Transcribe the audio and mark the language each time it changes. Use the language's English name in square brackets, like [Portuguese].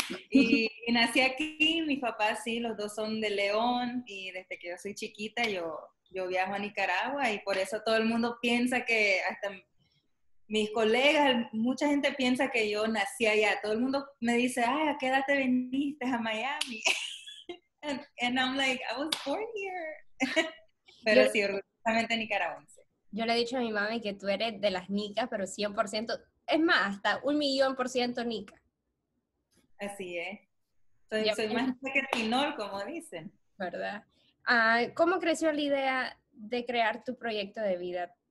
[Spanish] Y nací aquí, mis papás sí, los dos son de León, y desde que yo soy chiquita yo viajo a Nicaragua, y por eso todo el mundo piensa que hasta... Mis colegas, mucha gente piensa que yo nací allá. Todo el mundo me dice, ay, ¿a qué edad te viniste a Miami? [English] And I'm like, I was born here. [Spanish] Pero yo, sí, orgullosamente nicaragüense. Yo le he dicho a mi mami que tú eres de las nicas, pero 100%, es más, hasta 1,000,000% nica. Así es. Soy, soy más nica que Tinol, como dicen. ¿Verdad? ¿Cómo creció la idea de crear tu proyecto de vida?